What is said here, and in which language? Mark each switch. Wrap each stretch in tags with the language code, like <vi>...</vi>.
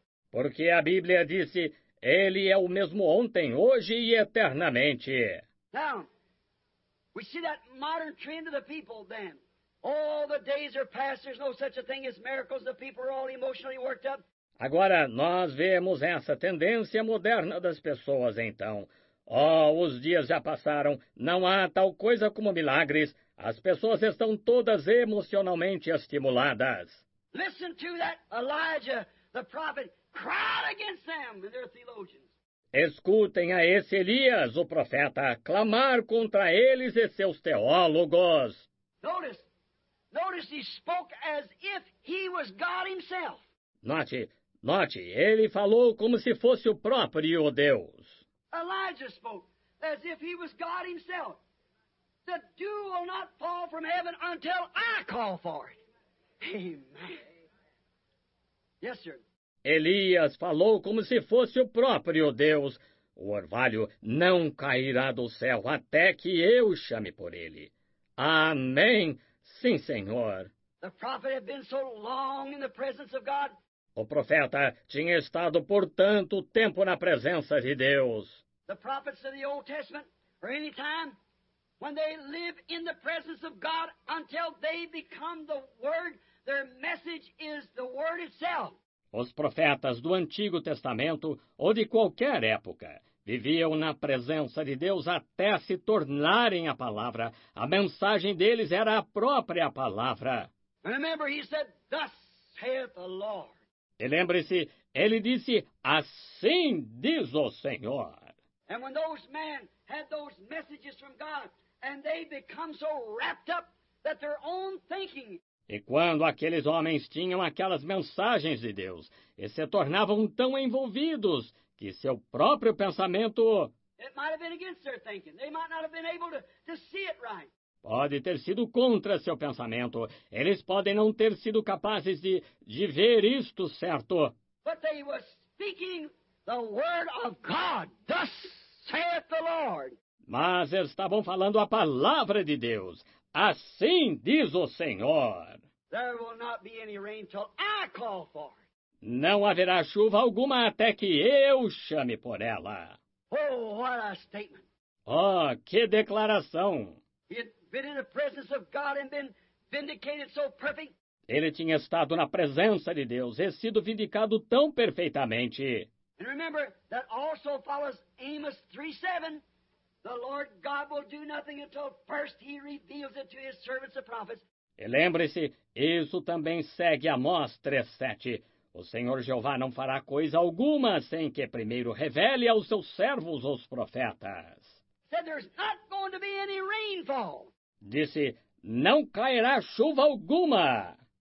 <pt>Porque a Bíblia disse, Ele é o mesmo ontem, hoje e eternamente.</pt> <en>Now, we see that modern trend of the people then. All the days are past, there's no such a thing as miracles, the people are all emotionally worked up.</en> <pt>Agora, nós vemos essa tendência moderna das pessoas, então. Oh, os dias já passaram, não há tal coisa como milagres. As pessoas estão todas emocionalmente estimuladas.</pt> <en>Listen to that Elijah, the prophet, cried against them and their theologians.</en> <pt>Escutem a esse Elias, o profeta, clamar contra eles e seus teólogos.</pt> <en>Notice, he spoke as if he was God himself.</en> <pt>Note, ele falou como se fosse o próprio Deus.</pt> <en>Elijah spoke as if he was God himself. The dew will not fall from heaven until I call for it. Amen. Yes, sir.</en> <pt>Elias falou como se fosse o próprio Deus. O orvalho não cairá do céu até que eu chame por ele. Amém. Sim, Senhor.</pt> <en>The prophet had been so long in the presence of God.</en> <pt>O profeta tinha estado por tanto tempo na presença de Deus.</pt> <en>The prophets of the Old Testament, or any time, when they live in the presence of God until they become the Word, their message is the Word itself.</en> <pt>Os profetas do Antigo Testamento, ou de qualquer época, viviam na presença de Deus até se tornarem a palavra. A mensagem deles era a própria palavra.</pt> <en>Remember, he said, "Thus saith the Lord."</en> <pt>E lembre-se, ele disse, assim diz o Senhor.</pt> <en>And when those men had those messages from God, and they become so wrapped up that their own thinking.</en> <pt>E quando aqueles homens tinham aquelas mensagens de Deus, e se tornavam tão envolvidos que seu próprio pensamento.</pt> <en>It might have been against their thinking. They might not have been able to see it right.</en> <pt>Pode ter sido contra seu pensamento. Eles podem não ter sido capazes de ver isto certo.</pt> <en>But they were speaking the word of God. Thus saith the Lord.</en> <pt>Mas estavam falando a palavra de Deus. Assim diz o Senhor.</pt> <en>There will not be any rain till I call for it.</en> <pt>Não haverá chuva alguma até que eu chame por ela.</pt> <en>Oh, what a statement.</en> <pt>Oh, que declaração.</pt> <en>Been in the presence of God and been vindicated so perfect.</en> <pt>Ele tinha estado na presença de Deus e sido vindicado tão perfeitamente.</pt> <en>And remember, that also follows Amos 3:7. The Lord God will do nothing until first he reveals it to his servants the prophets.</en> <pt>E lembre-se, isso também segue Amós 3:7. O Senhor Jeová não fará coisa alguma sem que primeiro revele aos seus servos os profetas.</pt> <en>Said there's not going to be any rainfall.</en> <pt>Disse, não cairá chuva alguma.</pt>